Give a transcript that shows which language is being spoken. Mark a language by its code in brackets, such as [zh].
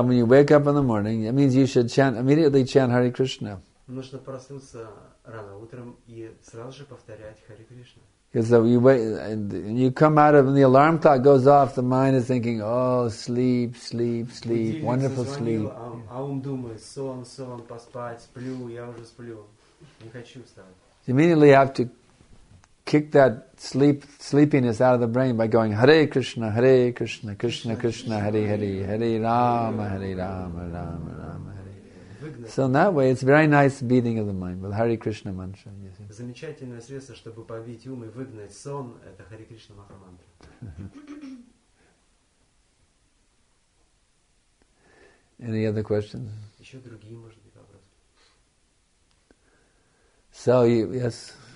[en] When you wake up in the morning, it means you should immediately chant Hare Krishna. [ru] Нужно проснуться рано утром и сразу же повторять Hare Krishna. [en] Because you wake and you come out of, and the alarm clock goes off, the mind is thinking, oh, sleep, wonderful sleep. [ru] А ум думает, сон, поспать, сплю, я уже сплю. Не хочу вставать. [en] You immediately have to kick that sleepiness out of the brain by going, Hare Krishna, Hare Krishna, Krishna Krishna, Hare Hare, Hare Rama, Hare Rama, Rama Rama, Hare. So in that way, it's very nice beating of the mind with Hare Krishna mantra. [ru] Замечательное средство, чтобы побить ум и выгнать сон, это Хари Кришна Маха Мантра. [en] Any other questions? [ru] Еще другие, может быть, вопросы? [en] So, yes.